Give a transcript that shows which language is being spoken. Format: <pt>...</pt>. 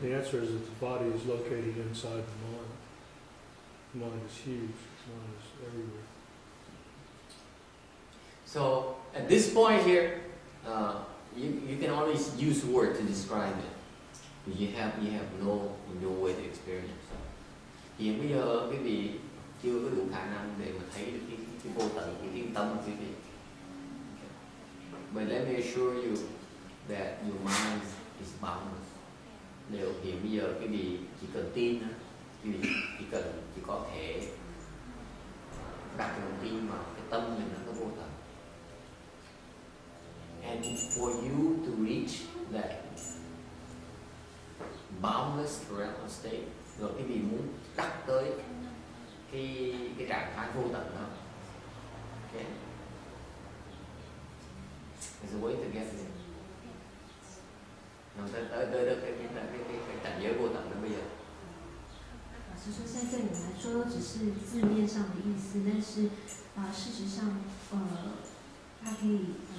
<en>The answer is that the body is located inside the mind. The mind is huge. The mind is everywhere. So, at this point here, You can always use word to describe it. You have no way to experience.</en> <vi>Hiện bây giờ quý vị chưa có đủ khả năng để mà thấy được cái vô tận của thiền tâm quý vị.</vi> <en>But let me assure you that your mind is boundless.</en> <vi>Nếu hiện bây giờ quý vị chỉ cần tin, quý vị chỉ có thể đặt lòng tin vào cái tâm mình nó vô tận.</vi> <en>And for you to reach that boundless realm state,</en> <vi>rồi quý vị muốn đạt tới cái trạng thái vô tận đó. Okay.</vi> <en>There's a way to get there.</en> <vi>Nó sẽ tới được cái cảnh giới vô tận đó bây giờ.</vi> <zh>老师说，现在对你来说只是字面上的意思，但是事实上，它可以。</zh>